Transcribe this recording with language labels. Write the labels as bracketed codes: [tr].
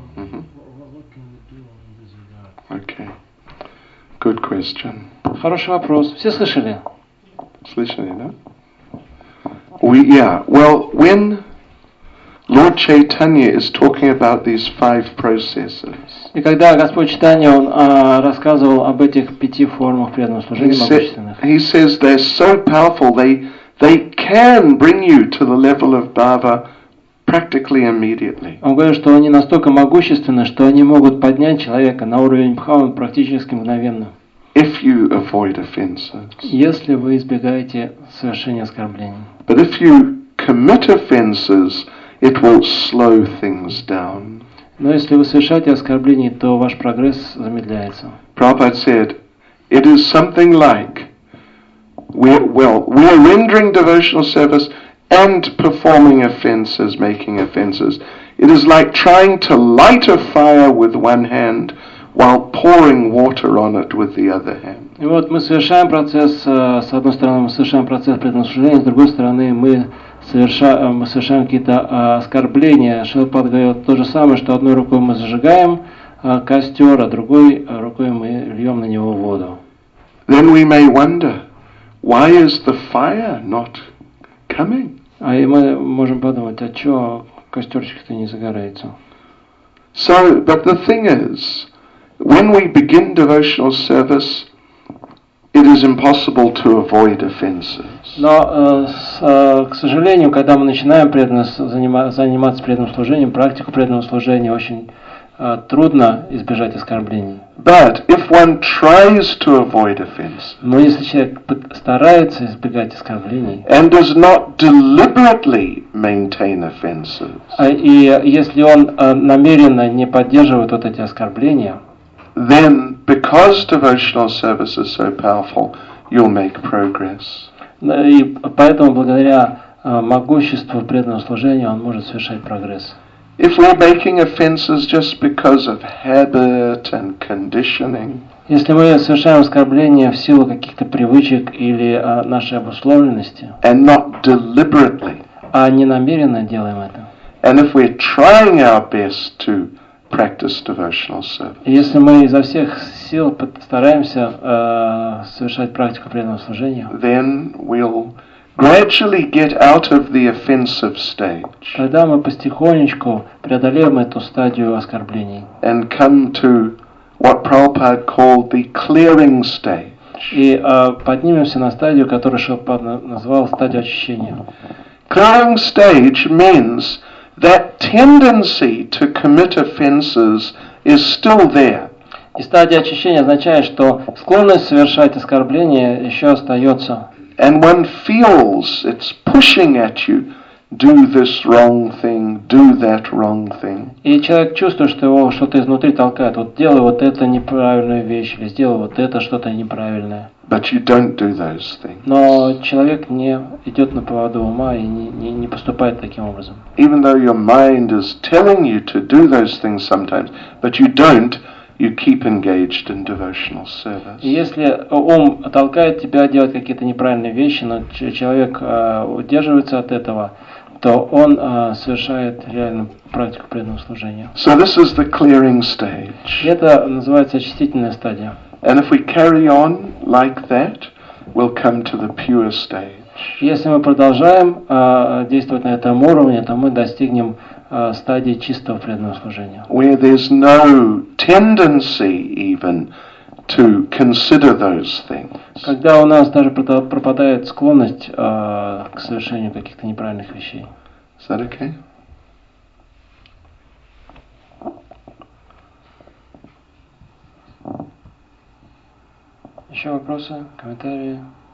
[en] So, what can we do in this regard? Okay. Good question. [ru] Хороший вопрос. Все слышали? Слышали, да? [en] When Lord Chaitanya is talking about these five processes, [ru] и когда Господь Чайтанья рассказывал об этих пяти формах преданного служения могущественных, [en] he says they're so powerful, they can bring you to the level of bhava practically immediately. [ru] Он говорит, что они настолько могущественны, что они могут поднять человека на уровень бхавы практически мгновенно. [en] If you avoid offenses. [ru] Если вы избегаете совершения оскорблений. [en] But if you commit offenses, It will slow things down. [ru] Но если вы совершаете оскорбление, то ваш прогресс замедляется. [en] Prabhupada said, it is something like we are rendering devotional service and performing offenses, making offenses. It is like trying to light a fire with one hand while pouring water on it with the other hand. [ru] И вот мы совершаем процесс, с одной стороны мы совершаем процесс предназначения, с другой стороны мы совершаем какие-то оскорбления. Шилпад говорит то же самое, что одной рукой мы зажигаем костер, а другой рукой мы льем на него воду. [en] Then we may wonder, why is the fire not coming? [ru] А и мы можем подумать, а чё костерчик-то не загорается? [en] So, but the thing is, when we begin devotional service, it is impossible to avoid offenses. [ru] Но, к сожалению, когда мы начинаем заниматься преданным служением, практику преданного служения, очень трудно избежать оскорблений. [en] But if one tries to avoid offenses, [ru] но если человек старается избегать оскорблений, [en] and does not deliberately maintain offenses, [ru] и если он намеренно не поддерживает вот эти оскорбления, [en] then because devotional service is so powerful, you'll make progress. [ru] И поэтому благодаря могуществу преданного служения он может совершать прогресс. [en] If we're making offenses just because of habit and conditioning, [ru] если мы совершаем оскорбления в силу каких-то привычек или нашей обусловленности, [en] and not deliberately, [ru] а не намеренно делаем это, [en] and if we're trying our best to practice devotional service, [ru] если мы изо всех сил стараемся совершать практику преданного служения, [en] then we'll gradually get out of the offensive stage. [ru] Тогда мы потихонечку преодолеем эту стадию оскорблений. [en] And come to what Prabhupada called the clearing stage. [ru] И поднимемся на стадию, которую Шилпад назвал стадию очищения. [en] Clearing stage means that tendency to commit offenses is still there. [ru] И стадия очищения означает, что склонность совершать оскорбления еще остается. [en] And one feels it's pushing at you, do this wrong thing, do that wrong thing. [ru] И человек чувствует, что его что-то изнутри толкает, вот делай вот это неправильную вещь, или сделай вот это что-то неправильное. [en] But you don't do those things. [ru] Но человек не идет на поводу ума и не поступает таким образом. [en] Even though your mind is telling you to do those things sometimes, but you don't, you keep engaged in devotional service. [ru] Если ум толкает тебя делать какие-то неправильные вещи, но человек удерживается от этого, то он совершает реально практику преданного служения. [en] So this is the clearing stage. [ru] Это называется очистительная стадия. [en] And if we carry on like that, we'll come to the pure stage. [ru] Если мы продолжаем действовать на этом уровне, то мы достигнем стадии чистого преданного служения. [en] Where there's no tendency even to consider those things. [ru] Когда у нас даже пропадает склонность к совершению каких-то неправильных вещей. [en] Is that okay? [ru] Еще вопросы, комментарии?